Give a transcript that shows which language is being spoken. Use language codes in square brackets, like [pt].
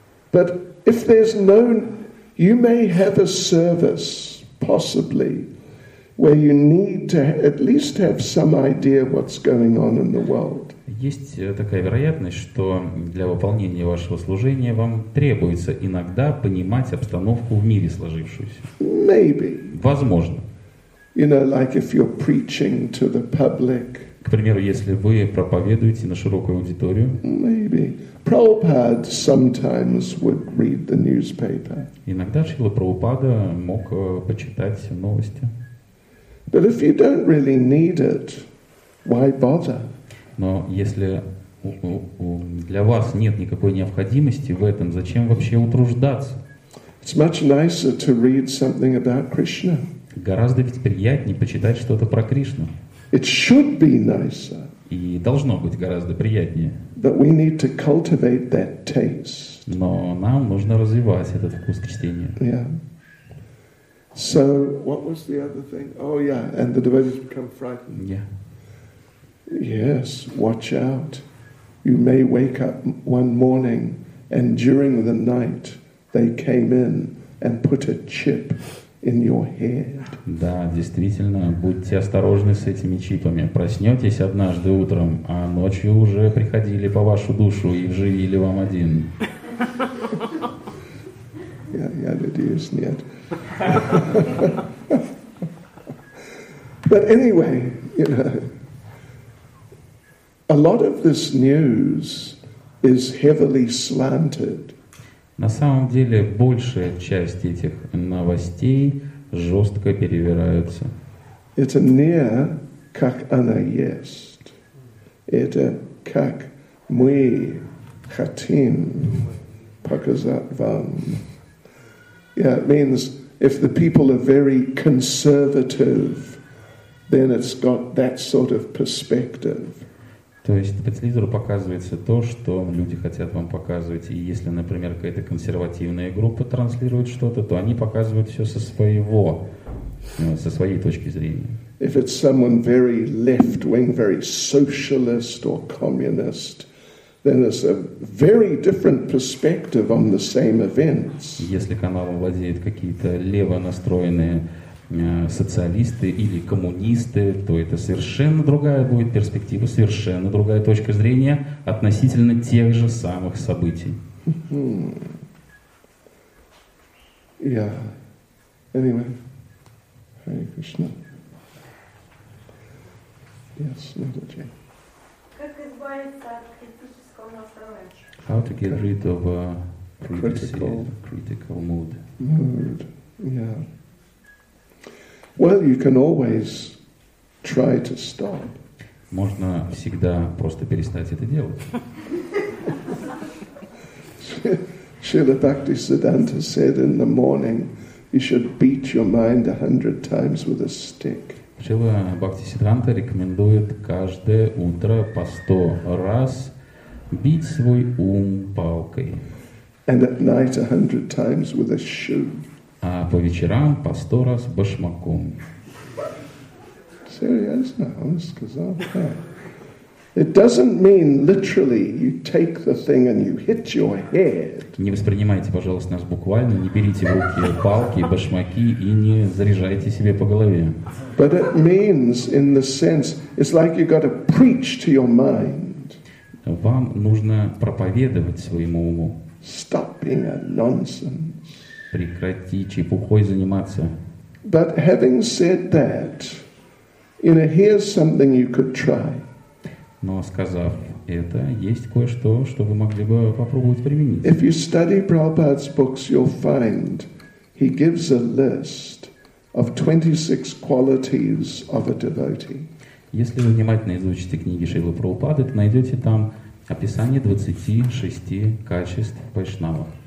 [en] But if there's no, you may have a service, possibly, where you need to at least have some idea what's going on in the world. [ru] Есть такая вероятность, что для выполнения вашего служения вам требуется иногда понимать обстановку в мире сложившуюся. [en] Maybe. [ru] Возможно. [en] You know, like if you're preaching to the public. [ru] К примеру, если вы проповедуете на широкую аудиторию, [en] maybe. Prabhupada sometimes would read the newspaper. [ru] Иногда Шрила Прабхупада мог почитать новости. [en] But if you don't really need it, why bother? [ru] Но если для вас нет никакой необходимости в этом, зачем вообще утруждаться? [en] It's much nicer to read something about Krishna. [ru] Гораздо ведь приятнее почитать что-то про Кришну. [en] It should be nicer. [ru] И должно быть гораздо приятнее. [en] But we need to cultivate that taste. [ru] Но нам нужно развивать этот вкус к чтению. [en] Yeah. So what was the other thing? Oh yeah, and the devotees become frightened. Yeah. Yes, watch out. You may wake up one morning and during the night they came in and put a chip in your head. [ru] Да, действительно, будьте осторожны с этими чипами. Проснетесь однажды утром, а ночью уже приходили по вашу душу и вживили вам один. Я надеюсь, нет. [en] But anyway, you know, a lot of this news is heavily slanted. [ru] На самом деле, большая часть этих новостей жестко перевираются. Это не как она есть. Это как мы хотим показать вам. [en] Yeah, it means if the people are very conservative, then it's got that sort of perspective. [ru] То есть по телевизору показывается то, что люди хотят вам показывать. И если, например, какая-то консервативная группа транслирует что-то, то они показывают все со своего, со своей точки зрения. [en] If it's someone very left-wing, very socialist or communist, then it's a very different perspective on the same events. [ru] Если каналом владеют какие-то лево настроенные социалисты или коммунисты, то это совершенно другая будет перспектива, совершенно другая точка зрения относительно тех же самых событий. [en] Yeah. Anyway, Hare Krishna. Yes, Mother Jane. [ru] Как избавиться от критического настроения? [en] How to get rid of a critical mood. Mood. Yeah. Well, you can always try to stop. [ru] Можно всегда просто перестать это делать. [en] Srila Bhaktisiddhanta said in the morning, you should beat your mind 100 times with a stick. [ru] Srila Bhaktisiddhanta рекомендует каждое утро по 100 раз бить свой ум палкой. [en] And at night 100 times with a shoe. [ru] А по вечерам по 100 раз башмаком. Серьезно, он сказал так. [en] It doesn't mean literally you take the thing and you hit your head. [ru] Не воспринимайте, пожалуйста, нас буквально. Не берите в руки палки, башмаки и не заряжайте себе по голове. [en] But it means in the sense it's like you got to preach to your mind. [ru] Вам нужно проповедовать своему уму. [en] Stop being a nonsense. [ru] Прекрати чепухой заниматься. [en] But having said that, you know, here's something you could try. [ru] Но сказав это, есть кое-что, что вы могли бы попробовать применить. [en] If you study Prabhupada's books, you'll find he gives a list of 26 qualities of a devotee. [ru] Если вы внимательно изучите книги Шрилы Прабхупады, то найдете там описание 26 качеств вайшнава.